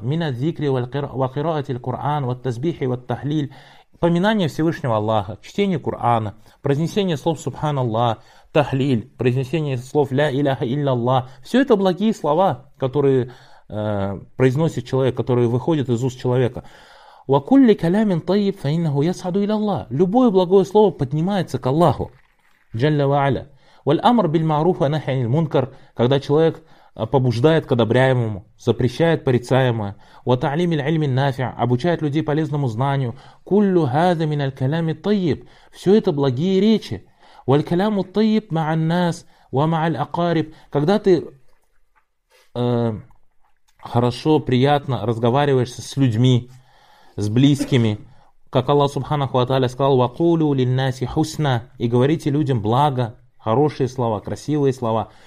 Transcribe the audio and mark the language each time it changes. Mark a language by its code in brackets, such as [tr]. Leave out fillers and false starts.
[ar] «Мина дзикри ва хираатиль Кур'ан, ва тазбихи ва тахлиль», [ru] поминание Всевышнего Аллаха, чтение Кур'ана, произнесение слов «Субханаллах», «Тахлиль», произнесение слов «Ля иляха иляллах». Все это благие слова, которые произносит человек, который выходит из уст человека. [ar] وَكُلِّ كَلَامٍ طَيِّبْ فَإِنَّهُ يَسْعَدُ إِلَى اللَّهِ [ru] Любое благое слово поднимается к Аллаху. [ar] جَلَّ وَعَلَى Валь-амр биль маруфа нахи анил мункар, [ru] когда человек побуждает к одобряемому, запрещает порицаемое, [ar] ва та'лими аль-ильми нафи', [ru] обучает людей полезному знанию, [ar] куллю хаза мин аль-калами тайиб, [ru] все это благие речи. [ar] Валь-каляму тайиб маа ан-нас ва маа аль-акариб, [ru] когда ты хорошо, приятно разговариваешь с людьми, с близкими, как Аллах Субханаху ва Тааля сказал, [ar] вакулю лин-наси хусна, [ru] и говорите людям благо, хорошие слова, красивые слова.